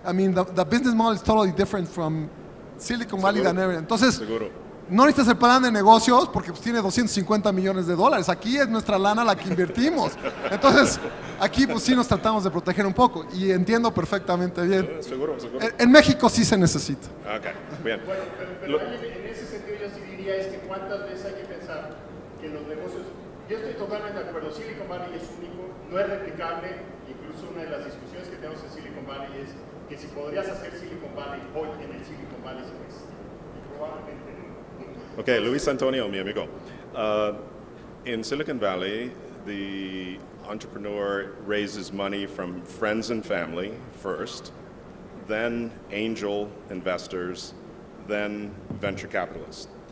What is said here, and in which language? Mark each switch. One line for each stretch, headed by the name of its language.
English: I mean, the business model is totally different from Silicon Valley than ever.
Spanish: Entonces, no necesitas el plan de negocios porque pues, tiene 250 millones de dólares. Aquí es nuestra lana la que invertimos. Entonces, aquí pues sí nos tratamos de proteger un poco. Y entiendo perfectamente bien. Seguro. En México sí se necesita. Okay, bien. Bueno, pero en ese sentido yo sí diría es que cuántas veces hay que pensar que los negocios... Yo estoy totalmente de acuerdo. Silicon Valley es único, no es replicable. Incluso una de las discusiones que tenemos en Silicon Valley es que si podrías hacer Silicon Valley hoy en el Silicon Valley, se existe. Y probablemente... Okay, Luis Antonio, mi amigo.
English: In Silicon Valley, the entrepreneur raises money from friends and family first, then angel investors, then venture capitalists.